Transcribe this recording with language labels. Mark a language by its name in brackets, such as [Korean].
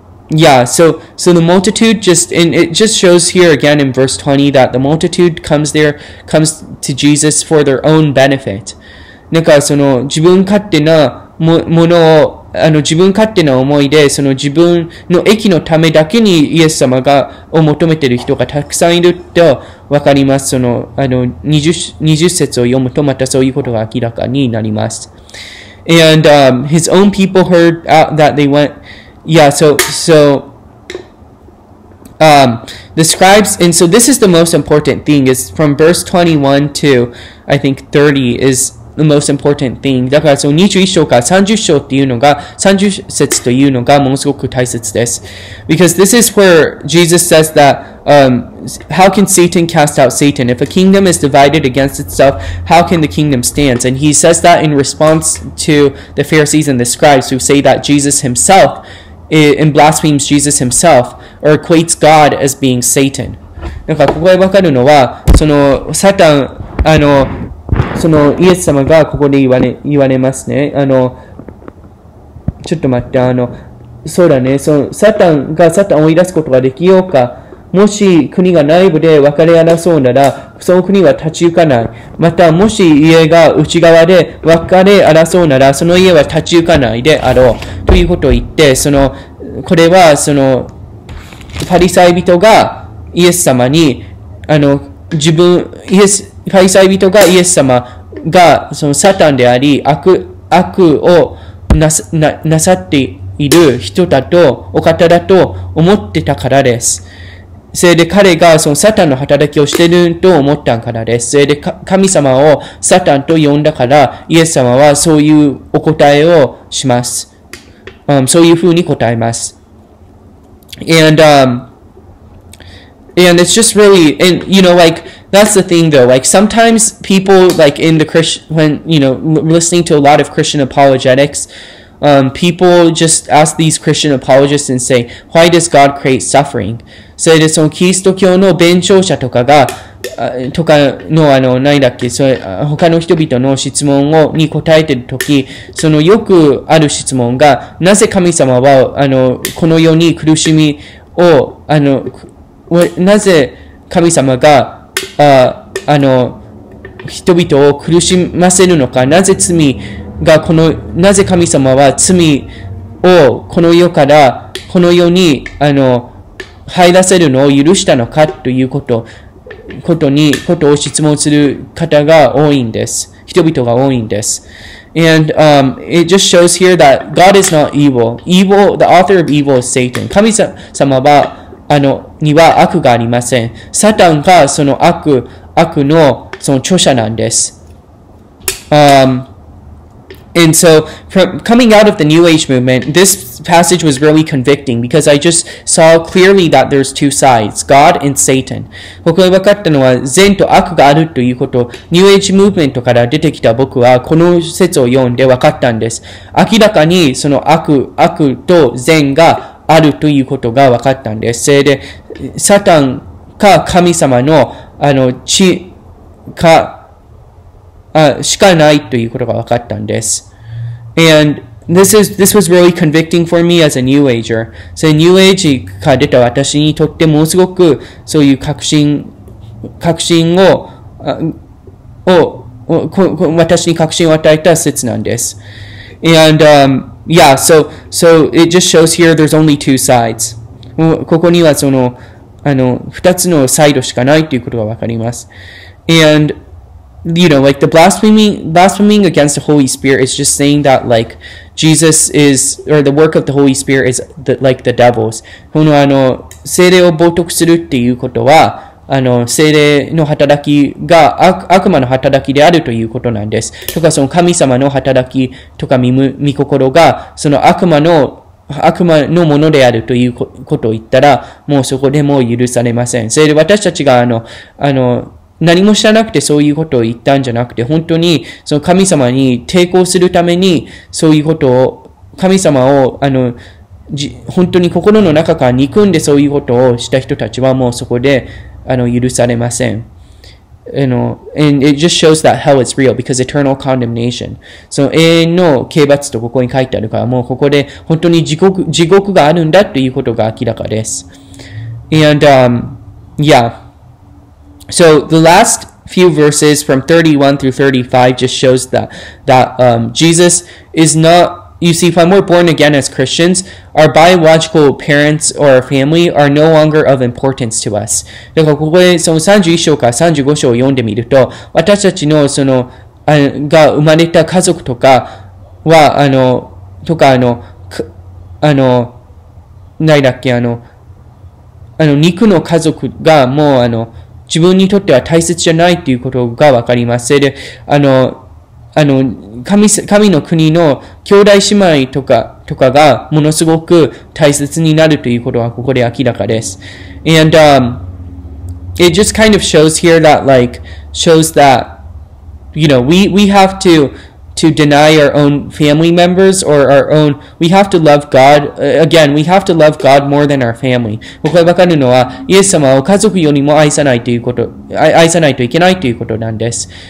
[English] Yeah, so the multitude just, and it just shows here again in verse 20 that the multitude comes to Jesus for their own benefit. [Japanese] なんかその自分勝手なものを、あの自分勝手な思いで、その自分の益のためだけにイエス様がを求めている人がたくさんいるとわかります。その、あの 20節を読むとまたそういうことが明らかになります。 [English] And, his own people heard out that they went, yeah, so, the scribes, and so this is the most important thing, is from verse 21 to, I think, 30 is the most important thing. [Japanese] だからその21章から30章っていうのが、30節というのがものすごく大切です。 [English] Because this is where Jesus says that, how can Satan cast out Satan? If a kingdom is divided against itself, how can the kingdom stand? And he says that in response to the Pharisees and the scribes who say that Jesus himself, and blasphemes Jesus himself, or equates God as being Satan. [Japanese] なんかここでわかるのは、そのサタン、あの、そのイエス様がここで言われますね。あの、ちょっと待って、あの、そうだね、そのサタンがサタンを追い出すことができようか。もし国が内部で分かれ争うなら、その国は立ち行かない。また、もし家が内側で分かれ争うなら、その家は立ち行かないであろう。ということを言って、その、これは、その、ファリサイ人がイエス様に、あの、自分、イエス、ファリサイ人がイエス様が、そのサタンであり、悪をなさっている人だと、お方だと思ってたからです。それで彼がそのサタンの働きをしていると思ったからです。それで神様をサタンと呼んだから、イエス様はそういうお答えをします。そういうふうに答えます。 [English] And it's just really, and you know, like, that's the thing though, like, sometimes people, like, in the Christian, when, you know, listening to a lot of Christian apologetics,people just ask these Christian apologists and say, why does God create suffering? [Japanese] それでそのキリスト教の弁証者とかが、とかの、あの、何だっけ、それ、他の人々の質問を、に答えてるとき、そのよくある質問が、なぜ神様は、あの、この世に苦しみを、あの、なぜ神様が、あの、人々を苦しませるのか、なぜ罪、がこのなぜ神様は罪をこの世からこの世にあの入らせるのを許したのかということを質問する方が多いんです。人々が多いんです。 [English] And, it just shows here that God is not evil. Evil, the author of evil is Satan. [Japanese] 神様はあのには悪がありません。サタンがその悪のその著者なんです。 [English] And so, from coming out of the New Age movement, this passage was really convicting because I just saw clearly that there's two sides, God and Satan. [Japanese] ここで分かったのは善と悪があるということ。New Age movement から出てきた僕はこの説を読んで分かったんです。明らかにその悪と善があるということが分かったんです。それで、サタンか神様の、あの、血か、しかないということが分かったんです。 [English] And this was really convicting for me as a New Ager. So, [Japanese] New Age から出た私にとってもすごくそういう確信を私に確信を与えた説なんです。 [English] And, yeah, so it just shows here there's only two sides. [Japanese] ここにはその、あの、二つのサイドしかないということが分かります。 [English] And,You know, like the blaspheming against the Holy Spirit is just saying that like Jesus is, or the work of the Holy Spirit is the, like the devil's. [Japanese] このあの、聖霊を冒涜するっていうことは、あの、聖霊の働きが悪魔の働きであるということなんです。とかその神様の働きとか御心がその悪魔のものであるということを言ったら、もうそこでもう許されません。それで私たちがあの、何も知らなくてそういうことを言ったんじゃなくて、本当にその神様に抵抗するためにそういうことを、神様をあの、本当に心の中から憎んでそういうことをした人たちはもうそこであの許されません。 [English] you know, and it just shows that hell is real because eternal condemnation. So, [Japanese] 永遠の刑罰とここに書いてあるから、もうここで本当に地獄があるんだということが明らかです。 [English] And, yeah. So, the last few verses from 31 through 35 just shows that Jesus is not, you see, when we're born again as Christians, our biological parents or our family are no longer of importance to us. [Japanese] だからここでその31章から35章を読んでみると、私たちのその、あの、が生まれた家族とかは、あの、とかあの、あの、ないだっけ、あの、あの、肉の家族がもうあの、自分にとっては大切じゃないということがわかります。で、あの、あの、神の国の兄弟姉妹とかがものすごく大切になるということはここで明らかです。 [English] And, it just kind of shows here that, like, shows that, you know, we have to deny our own family members or our own, we have to love God, again, we have to love God more than our family. [Japanese] ここでわかるのは、イエス様を家族よりも愛さないということ、愛さないといけないということなんです。